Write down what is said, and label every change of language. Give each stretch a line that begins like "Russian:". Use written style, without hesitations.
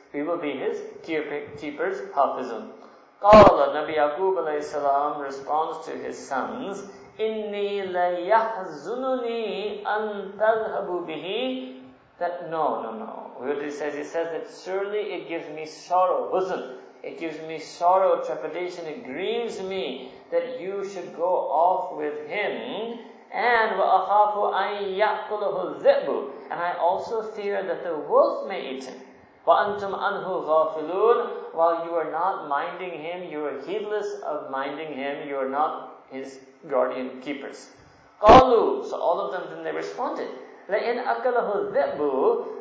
English: We will be his keepers, hafizun. Qala, Nabi Yaqub alayhi salam responds to his sons,
Arabic: inni la yahzununi an tadhhabu bihi.
English: That, no. What he says? He says that surely it gives me sorrow, huzn. It gives me sorrow, trepidation. It grieves me that you should go off with him. And
Arabic: وَأَخَافُ أَن يَأْكُلَهُ الذِّئْبُ.
English: And I also fear that the wolf may eat him.
Arabic: وَأَنْتُمْ أَنْهُ غَافِلُونَ.
English: While you are not minding him, you are heedless of minding him. You are not his guardian keepers.
Arabic: قَالُوا.
English: So all of them, then they responded.
Arabic: لَإِنْ أَكَلَهُ الذِّئْبُ.